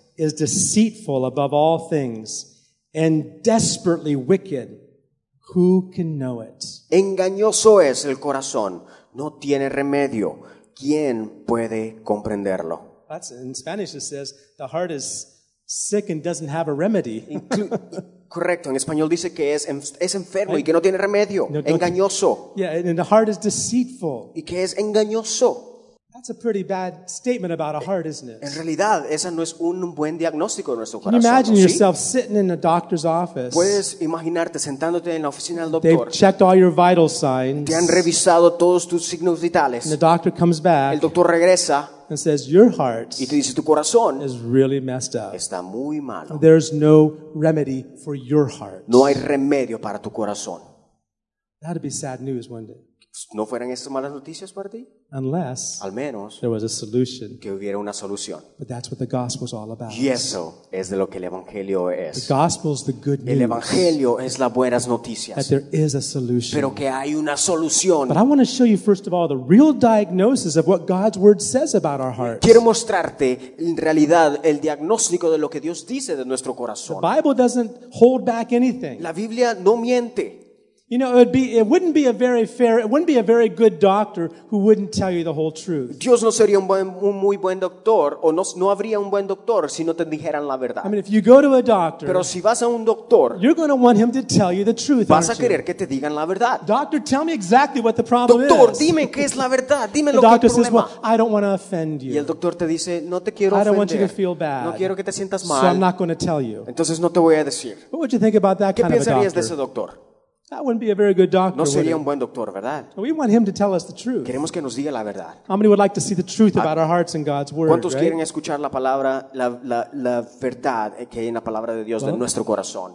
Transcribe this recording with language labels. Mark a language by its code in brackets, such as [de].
[en] is deceitful above all things and desperately wicked. Who can know it? [es] Engañoso es el corazón. No tiene remedio. ¿Quién puede comprenderlo? [en] That's in Spanish it says, the heart is sick and doesn't have a remedy. [es] Correcto. En español dice que es enfermo y que no tiene remedio. No, engañoso. [en] Yeah, and the heart is deceitful. [es] Y que es engañoso. [en] That's a pretty bad statement about a heart, isn't it? [es] En realidad, esa no es un buen diagnóstico de nuestro corazón. [en] Can you imagine [es] ¿sí? [en] yourself sitting in a doctor's office? [es] Puedes imaginarte sentándote en la oficina del doctor. [en] They've checked all your vital signs. [es] Te han revisado todos tus signos vitales. [en] And the doctor comes back. [es] El doctor regresa. [en] And says, your heart [es] y te dice, tu corazón [en] is really messed up. [es] Está muy malo. [en] There's no remedy for your heart. [es] No hay remedio para tu corazón. [en] That'd be sad news, wouldn't it? [es] ¿No fueran esas malas noticias para ti? [en] Unless [es] al menos [en] there was a solution. [es] Que hubiera una solución. [en] But that's what the gospel is all about. [es] Y eso es de lo que el evangelio es. [en] The gospel is the good news. [es] El evangelio es las buenas noticias. [en] That there is a solution. [es] Pero que hay una solución. [en] But I want to show you first of all the real diagnosis of what God's word says about our hearts. [es] Quiero mostrarte en realidad el diagnóstico de lo que Dios dice de nuestro corazón. [en] The Bible doesn't hold back anything. [es] La Biblia no miente. [en] You know, it wouldn't be a very good doctor who wouldn't tell you the whole truth. [es] Dios no sería un muy buen doctor o no habría un buen doctor si no te dijeran la verdad. [en] I mean, if you go to a doctor, [es] pero si vas a un doctor, [en] you're going to want him to tell you the truth. [es] Vas a querer que te digan la verdad. [en] Doctor, tell me exactly what the problem [es] doctor, [en] is. [es] Doctor, dime qué es la verdad. Dime lo que doctor el problema. [en] Says, well, I don't want to offend you. [es] Y el doctor te dice, no te quiero ofender. [en] I don't want you to feel bad. [es] No quiero que te sientas mal. [en] So I'm not going to tell you. [es] Entonces no te voy a decir. [en] What would you think about that [es] ¿Qué [en] kind [es] pensarías [en] of a doctor? [es] De ese doctor? [en] That wouldn't be a very good doctor. [es] No sería un buen doctor, ¿verdad? [en] We want him to tell us the truth. [es] Queremos que nos diga la verdad. [en] How many would like to see the truth about our hearts and God's word? [es] ¿Cuántos [en] right? [es] quieren escuchar la palabra, la verdad que hay en la palabra de Dios well, de nuestro corazón?